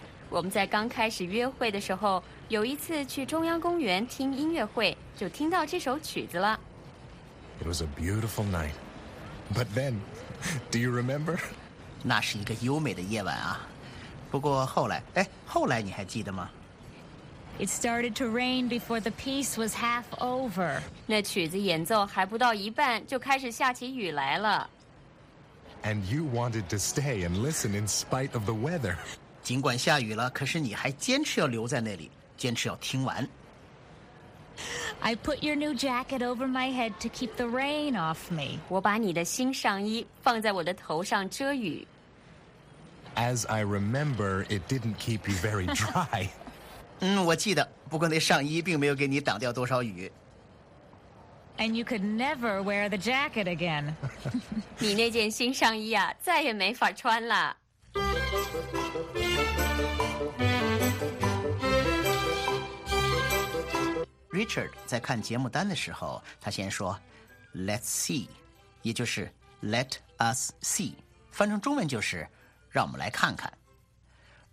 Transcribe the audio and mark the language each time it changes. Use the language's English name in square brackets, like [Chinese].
[Chinese] 我们在刚开始约会的时候，有一次去中央公园听音乐会，就听到这首曲子了。 [English] It was a beautiful night, but then, do you remember? [Chinese] 那是一个优美的夜晚啊。不过后来，哎，后来你还记得吗 [English] ？It started to rain before the piece was half over. [Chinese] 那曲子演奏还不到一半，就开始下起雨来了。 [English] And you wanted to stay and listen in spite of the weather. [Chinese] 尽管下雨了，可是你还坚持要留在那里，坚持要听完。 [English] I put your new jacket over my head to keep the rain off me. [Chinese] 我把你的新上衣放在我的头上遮雨。 [English] As I remember, it didn't keep you very dry. [Chinese] 嗯，我记得，不过那上衣并没有给你挡掉多少雨。 [English] And you could never wear the jacket again. [Chinese] 你那件新上衣啊，再也没法穿了。 Richard 在看节目单的时候，他先说 [English] "Let's see"， [Chinese] 也就是 [English] "Let us see"， [Chinese] 翻成中文就是"让我们来看看"。